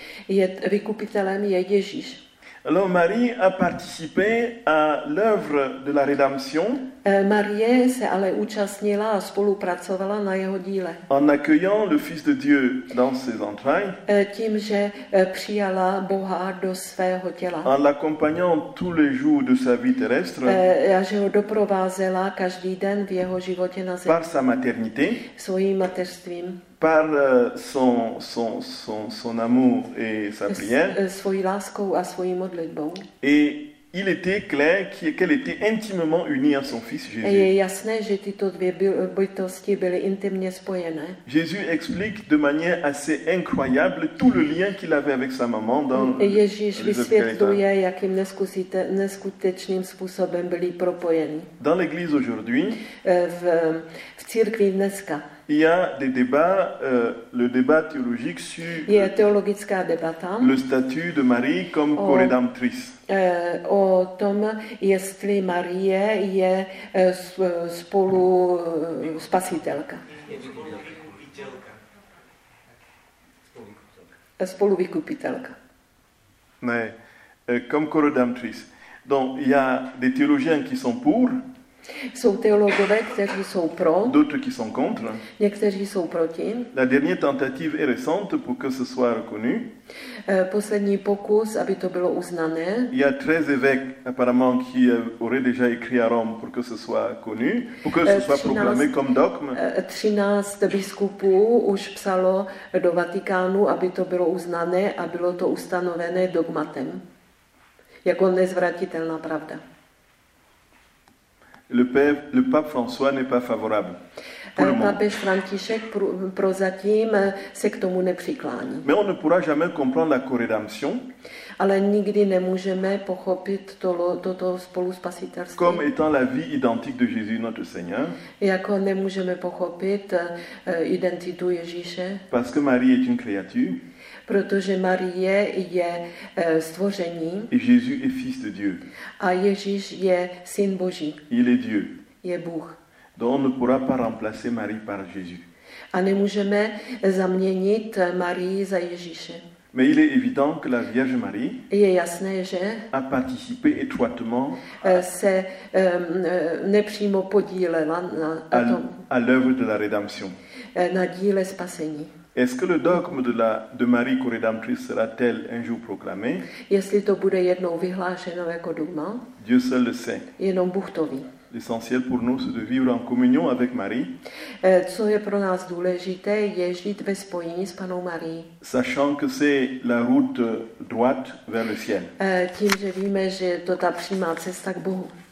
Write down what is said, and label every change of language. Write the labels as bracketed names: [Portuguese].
[Czech] Je vykupitelem je Ježíš. [French] Alors Marie a participé à l'œuvre de la rédemption. [Czech] Marie se ale účastnila a spolupracovala na jeho díle. [French] En accueillant le Fils de Dieu dans ses entrailles. [Czech] Tím, že přijala Boha do svého těla. [French] En l'accompagnant tous les jours de sa vie terrestre. [Czech] A že ho doprovázela každý den v jeho životě na zemi. [French] Par sa maternité. [Czech] Svojím mateřstvím. [French] Par son amour et sa prière. [Czech] Svojí láskou a svojí modlitbou. [French] Et il était clair qu'elle était intimement unie à son fils Jésus. [Czech] Je jasné, že tyto dvě bytosti byly intimně spojené. [French] Jésus explique de manière assez incroyable tout le lien qu'il avait avec sa maman dans [Czech] Ježíš vysvětluje, jakým neskutečným způsobem byli propojeni. [French] Dans l'église aujourd'hui, [Czech] v církvi dneska. [French] Il y a des débats, le débat théologique sur [Czech] teologická debata, [French] le statut de Marie comme co-rédemptrice. [Czech] O tom, jestli Marie je spolu spasitelka. Spolu vykupitelka. [French] Ne, comme co-rédemptrice. Donc, il y a des théologiens qui sont pour. [Czech] Jsou teologové, kteří jsou pro. [French] D'autres qui sont contre. [Czech] Někteří jsou proti. [French] La dernière tentative est récente pour que ce soit reconnu. [Czech] Poslední pokus, aby to bylo uznané. [French] Il y a 13 évêques apparemment qui auraient déjà écrit à Rome pour que ce soit connu, pour que ce soit proclamé comme dogme. [Czech] 13 biskupů už psalo do Vatikánu, aby to bylo uznané a bylo to ustanovené dogmatem. Jako nezvratitelná pravda. [French] Le pape François n'est pas favorable. [Czech] Papež František prozatím se k tomu nepřiklání. [French] Mais on ne pourra jamais comprendre la co-rédemption. [Czech] Ale nikdy nemůžeme pochopit toto spoluspasitelství. [French] Comme étant la vie identique de Jésus notre Seigneur. [Czech] Jako nemůžeme pochopit identitu Ježíše. [French] Parce que Marie est une créature. [Czech] Protože Marie je stvoření. [French] Et Jésus est fils de Dieu. [Czech] A Ježíš je syn Boží. [French] Il est Dieu. [Czech] Je Bůh. [French] Donc on ne pourra pas remplacer Marie par Jésus. [Czech] A nemůžeme zaměnit Marii za Ježíše. [French] Mais il est évident que la Vierge Marie [Czech] je jasné, že [French] a participé étroitement [Czech] se nepřímo podílela [French] à l'œuvre de la rédemption. [Czech] Na díle spasení. [French] Est-ce que le dogme de Marie co-rédemptrice sera-t-elle un jour proclamé? [Czech] Jestli to bude jednou vyhlášeno jako dogma? [French] Dieu seul le sait. [Czech] Jenom Bůh to ví. [French] L'essentiel pour nous c'est de vivre en communion avec Marie. [Czech] Co je pro nás důležité, je žít ve spojení s panou Marie. [French] Sachant que c'est la route droite vers le ciel. [Czech] Tím, že víme, že je to ta přímá cesta k Bohu.